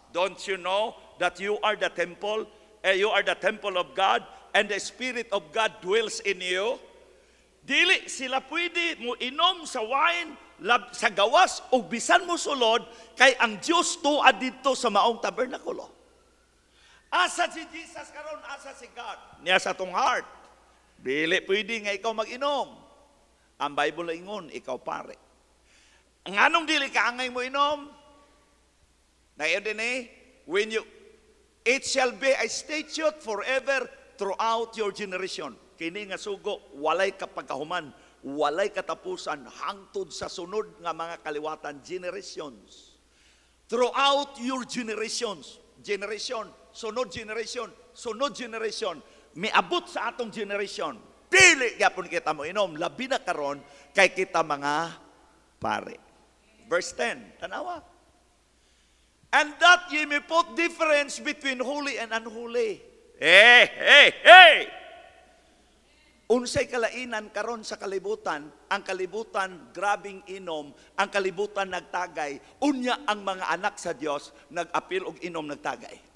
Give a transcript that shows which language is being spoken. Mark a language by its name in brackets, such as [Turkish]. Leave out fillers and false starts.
[English] Don't you know that you are the temple, you are the temple of God, and the Spirit of God dwells in you? [Cebuano] Dili sila pwede mo inom sa wine, sa gawas, o bisan mo sulod, kay ang Dios tuas dito sa maong tabernakulo. Asa si Jesus karon, asa si God? Niya sa tong heart. Dili pwede nga ikaw mag-inom. Ang Bible ingon, ikaw pare. Ang anong dili kaangay mo inom? [Filipino] Ngayon din eh, [English] when you, it shall be a statute forever throughout your generation. [Cebuano] Kini nga sugo, walay kapagkahuman, walay katapusan, hangtod sa sunod nga mga kaliwatan, generations. [English] Throughout your generations, generation, sunod generation, sunod generation, [Cebuano] may abot sa atong [English] generation. [Cebuano] Dili gyapon kita mo inom, labi na karon kay kita mga pare. Verse 10, tanawa. [English] And that ye may put difference between holy and unholy. Hey! [Cebuano] Unsay kalainan karon sa kalibutan, ang kalibutan grabing inom, ang kalibutan nagtagay, unya ang mga anak sa Dios nag-apil og inom nagtagay.